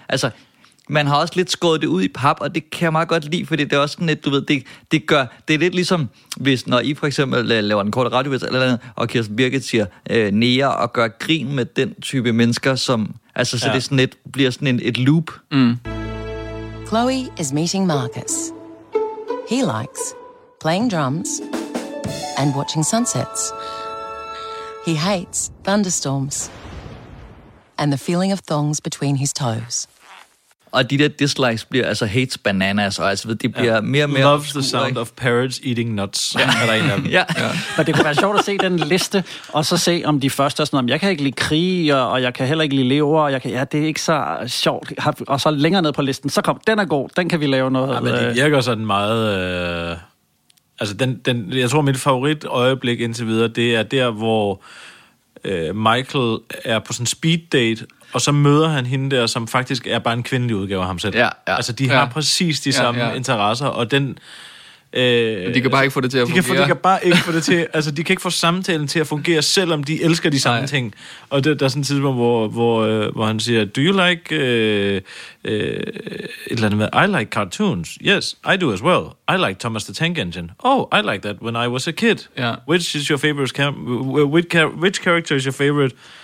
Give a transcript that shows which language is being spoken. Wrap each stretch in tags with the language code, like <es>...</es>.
<da>Altså, man har også lidt skåret det ud i pap, og det kan jeg meget godt lide, fordi det er også sådan lidt, du ved, det gør... Det er lidt ligesom, hvis når I for eksempel laver en kort radiovis eller andet, og Kirsten Birgit siger nære og gør grin med den type mennesker, som... Altså, så det sådan lidt, bliver sådan et loop. Mm.</da> <en>Chloe is meeting Marcus. He likes playing drums and watching sunsets. He hates thunderstorms and the feeling of thongs between his toes.</en> <da>Og de der dislikes bliver, altså</da> <en>hates bananas,</en> <da>og altså, det bliver mere og mere...</da> <en>Loves the sound of parrots eating nuts.</en> <da>Ja. Ja. Ja. Men det kunne være sjovt at se den liste, og så se, om de første er sådan, om jeg kan ikke lide krig, og jeg kan heller ikke lide lever, og jeg kan, ja, det er ikke så sjovt. Og så længere ned på listen, så kom, den er god, den kan vi lave noget. Ja, men det virker sådan meget... altså, den, jeg tror, mit favorit øjeblik indtil videre, det er der, hvor Michael er på sådan en speed date, og så møder han hende der, som faktisk er bare en kvindelig udgave af ham selv. Ja, ja. Altså, de har præcis de samme interesser, og den... De kan bare ikke få det til at fungere. De kan bare ikke få det til... Altså, de kan ikke få samtalen til at fungere, selvom de elsker de samme ting. Og der er sådan et tidspunkt, hvor han siger,</da> <en>do you like...</en> <da>et eller andet med,</da> <en>I like cartoons. Yes, I do as well. I like Thomas the Tank Engine. Oh, I like that when I was a kid. Yeah. Which is your favorite... Which character is your favorite...</en>